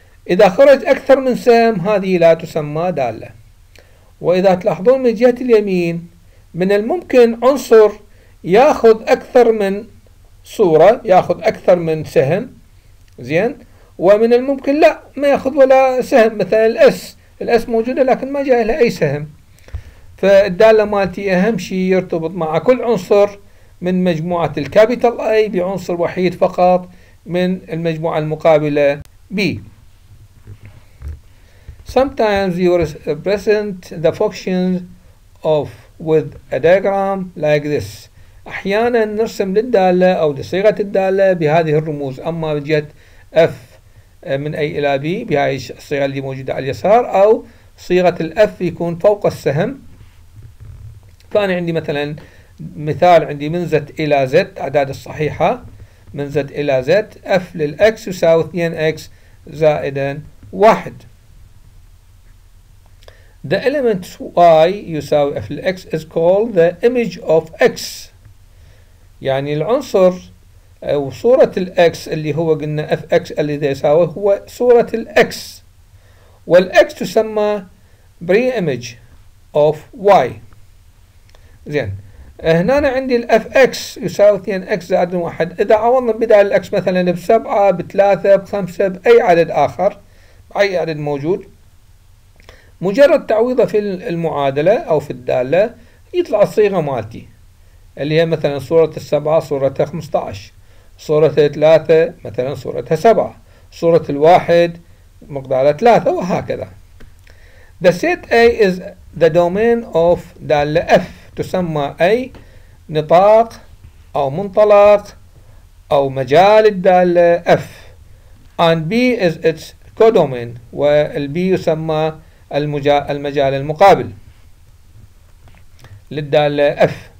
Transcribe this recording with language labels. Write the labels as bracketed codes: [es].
[ar] إذا خرج أكثر من سهم هذه لا تسمى دالة. وإذا تلاحظون من جهة اليمين من الممكن عنصر يأخذ أكثر من صورة، يأخذ أكثر من سهم، زين، ومن الممكن لا ما ياخذ ولا سهم. مثلا الاس، الاس موجوده لكن ما جاء لها اي سهم. فالداله مالتي اهم شيء يرتبط مع كل عنصر من مجموعه الكابيتال اي بعنصر وحيد فقط من المجموعه المقابله بي. [en] Sometimes you represent the functions of with a diagram like this. [ar] احيانا نرسم للداله او لصيغه الداله بهذه الرموز، اما بجد F من A إلى B بهاي الصيغة اللي موجودة على اليسار، أو صيغة ال F يكون فوق السهم. فأنا عندي مثلا مثال، عندي من Z إلى Z أعداد الصحيحة، من Z إلى Z F لل X يساوي 2 X زائدا 1. [en] The element Y [ar] يساوي F لل X [en] is called the image of X. [ar] يعني العنصر أو صورة الأكس اللي هو قلنا اف اكس اللي ذا يساوي هو صورة الأكس، والأكس تسمى [en] Pre image of Y. [ar] زين، هنا أنا عندي الاف اكس يساوي 2 اكس زائد 1. إذا عوضنا بدال الأكس مثلا بسبعة بثلاثة بخمسة بأي عدد آخر، أي عدد موجود، مجرد تعويضه في المعادلة أو في الدالة يطلع الصيغة مالتي اللي هي مثلا صورة السبعة صورتها 15، صورة الثلاثة مثلا صورتها سبعة، صورة الواحد مقدارها ثلاثة، وهكذا. [en] The set A is the domain of دالة F. [ar] تسمى A نطاق أو منطلق أو مجال الدالة F. [en] And B is its codomain. [ar] والB يسمى المجال المقابل للدالة F.